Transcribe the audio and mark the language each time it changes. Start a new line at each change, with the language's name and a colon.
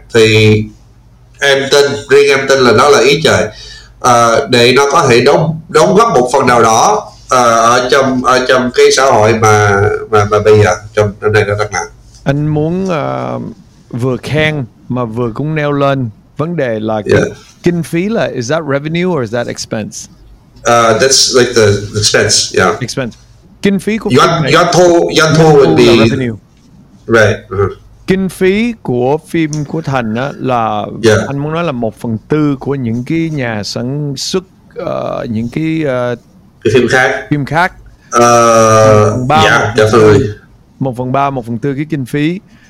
Vietnamese: Thì em tin là nó là ý trời, để nó có thể đóng góp một phần nào đó ở trong cái xã hội mà bây giờ trong năm nay nó rất nặng. Anh muốn vừa khen mà vừa cũng nêu lên vấn đề là kinh phí, là
English: is that revenue or is that expense? That's like the expense, yeah.
Vietnamese: Expense. Kinh phí của
English: doanh thu would be revenue. Right. Uh-huh.
Vietnamese: Kinh phí của phim của Thành á là anh muốn nói là 1/4 của những cái nhà sản xuất những cái phim khác. 1/3,
English: yeah, definitely.
Vietnamese: 1/3, 1/4 cái kinh phí.